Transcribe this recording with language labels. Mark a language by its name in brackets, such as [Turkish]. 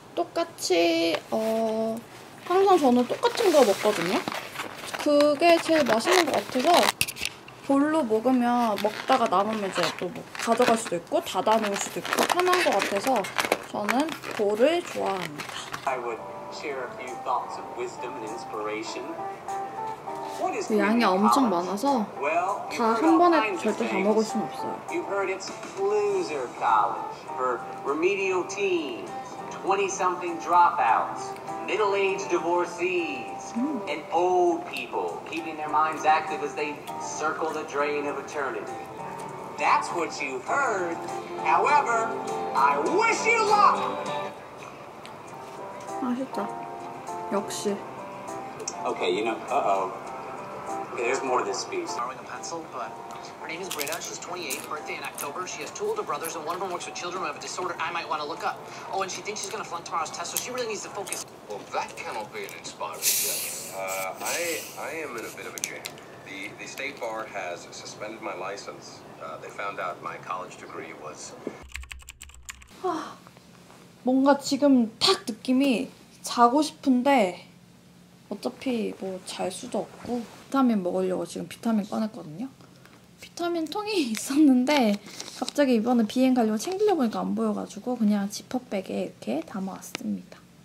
[Korean] 똑같이 항상 저는 똑같은 거 먹거든요. 그게 제일 맛있는 것 같아서 볼로 먹으면 먹다가 남으면 이제 또 뭐 가져갈 수도 있고 닫아 놓을 수도 있고 편한 것 같아서 저는 볼을 좋아합니다. [English] I would share a few thoughts of wisdom and inspiration. [Korean] 양이 엄청 많아서 다 한 번에 절대 다 먹을 순 없어요. [English] You've heard it's loser college for remedial teens, 20-something dropouts, middle-aged divorcees. And old people keeping their minds active as they circle the drain of eternity. That's what you've heard. However, I wish you luck. [Korean] 맛있다. 역시. [English] Okay, you know. Okay, there's more to this piece. Borrowing a pencil, but her name is Britta. She's 28, birthday in October. She has two older brothers, and one of them works with children who have a disorder I might want to look up. Oh, and she thinks she's going to flunk tomorrow's test, so she really needs to focus. Well, that cannot be an inspiring gesture. I am in a bit of a jam. The state bar has suspended my license. They found out my college degree was... [Korean] 뭔가 지금 탁 느낌이 자고 싶은데 어차피 뭐 잘 수도 없고 비타민 먹으려고 지금 비타민 꺼냈거든요. 비타민 통이 있었는데 갑자기 이번에 비행 가려고 챙기려 보니까 안 보여가지고 그냥 지퍼백에 이렇게 담아왔습니다.